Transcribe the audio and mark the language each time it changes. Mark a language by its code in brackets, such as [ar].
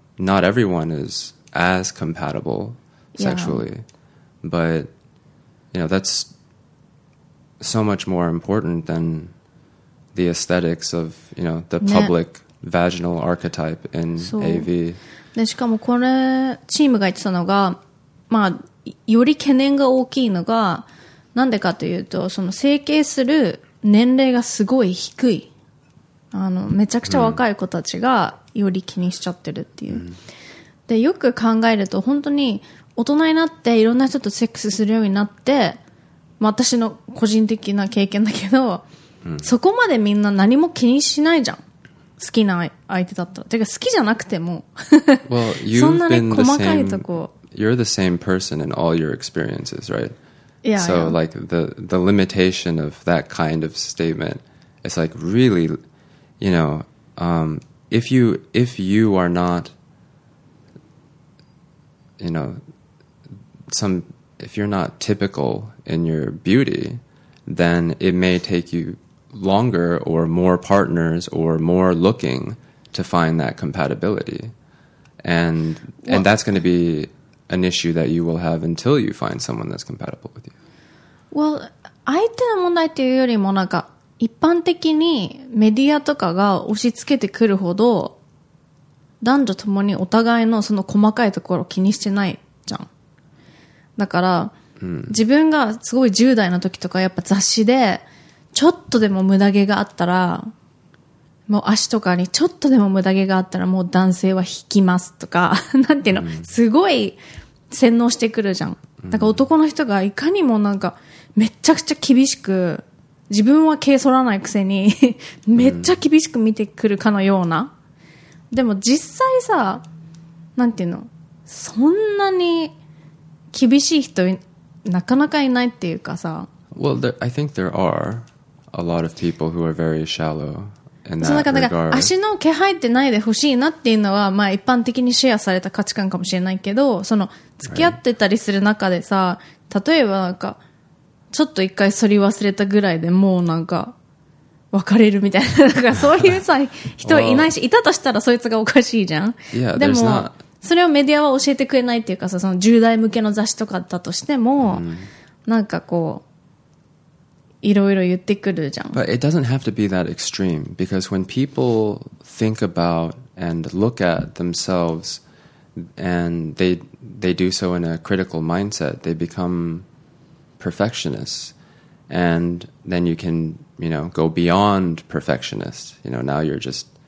[en] Not everyone is... as compatible sexually、 yeah. but you know that's so much more important than the aesthetics of you know the public、ね、vaginal archetype in AV [ja] でしかもこれチームが言ってたのがまあより懸念が大きいのがなんでかというとその整形する年齢がすごい低いあのめちゃくちゃ若い子たちがより気にしちゃってるっていう、うんでよく考えると本当に大人になっていろんな人とセックスするようになって、まあ、私の個人的な経験だけど、うん、そこまでみんな何も気にしないじゃん好きな相手だったらてか好きじゃなくても [en] well, you've [ja] そんなに細かいとこ [en] been the same, You're the same person in all your experiences, right? Yeah, so yeah. like the limitation of that kind of statement is like really you know、if you are notYou know, if you're not typical in your beauty, then it may take you longer or more partners or more looking to find that compatibility. And, well, and that's going to be an issue that you will have until you find someone that's compatible with you. [ja] Well, 相手の問題というよりもなんか一般的にメディアとかが押し付けてくるほど男女ともにお互いのその細かいところを気にしてないじゃん。だから、うん、自分がすごい10代の時とかやっぱ雑誌でちょっとでもムダ毛があったらもう足とかにちょっとでもムダ毛があったらもう男性は引きますとかなんていうの、うん、すごい洗脳してくるじゃん。だから男の人がいかにもなんかめちゃくちゃ厳しく自分は毛剃らないくせにめっちゃ厳しく見てくるかのようなでも実際さなんていうのそんなに厳しい人なかなかいないっていうかさ [en] Well, there, I think there are a lot of people who are very shallow in that regard. [ja] なんか足の毛入ってないでほしいなっていうのは、まあ、一般的にシェアされた価値観かもしれないけどその付き合ってたりする中でさ、right. 例えばなんかちょっと一回剃り忘れたぐらいでもうなんか別れるみたいなそういうさ人いないし、 [en] well, [ja] いたとしたらそいつがおかしいじゃん [en] yeah, [ja] でも [en] not... [ja] それをメディアは教えてくれないっていうかさその10代向けの雑誌とかだとしても、mm. なんかこういろいろ言ってくるじゃん [en] But it doesn't have to be that extreme because when people think about and look at themselves and they do so in a critical mindset they become perfectionists and then you can you know, go beyond perfectionist. You know, now you're just